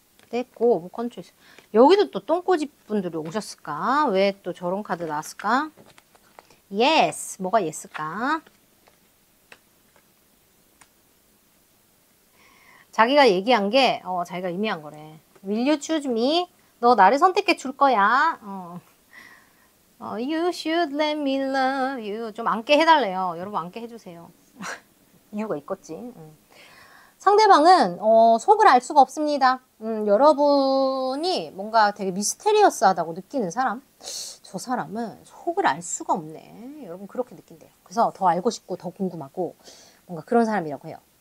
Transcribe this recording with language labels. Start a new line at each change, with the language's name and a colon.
Korean: 됐고, 뭐 컨트롤. 여기도 또 똥꼬집 분들이 오셨을까? 왜 또 저런 카드 나왔을까? 예스, 뭐가 예스일까? 자기가 얘기한 게 자기가 의미한 거래.
English: Will you choose me?
Korean: 너 나를 선택해 줄 거야.
English: You should let me love you.
Korean: 좀 안게 해달래요. 여러분 안게 해주세요. 이유가 있겠지. 상대방은 속을 알 수가 없습니다. 여러분이 뭔가 되게 미스테리어스하다고 느끼는 사람? 저 사람은 속을 알 수가 없네. 여러분 그렇게 느낀대요. 그래서 더 알고 싶고 더 궁금하고 뭔가 그런 사람이라고 해요.